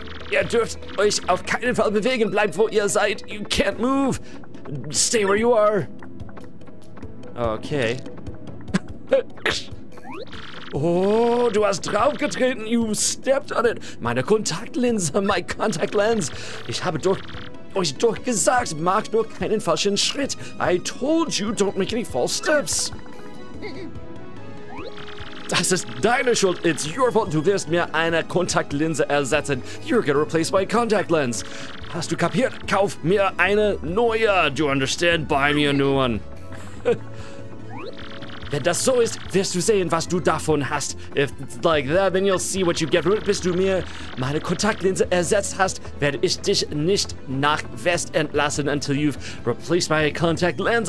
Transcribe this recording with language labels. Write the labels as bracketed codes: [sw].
[de] Ihr dürft euch auf keinen Fall bewegen. Bleibt wo ihr seid. [en] You can't move. Stay where you are. Okay. [de] Oh, du hast draufgetreten. [en] You stepped on it. [de] Meine Kontaktlinse, [en] my contact lens. [de] Ich habe euch gesagt, mach nur keinen falschen Schritt. [en] I told you, don't make any false steps. [de] Das ist deine Schuld. [en] It's your fault. [de] Du wirst mir eine Kontaktlinse ersetzen. [en] You're gonna replace my contact lens. [de] Hast du kapiert? Kauf mir eine neue. [en] Do you understand? Buy me a new one. [de] Wenn das so ist, wirst du sehen, was du davon hast. [en] If it's like that, then you'll see what you get from it. [de] Bis du mir meine Kontaktlinse ersetzt hast, werde ich dich nicht nach West entlassen [en] until you've replaced my contact lens.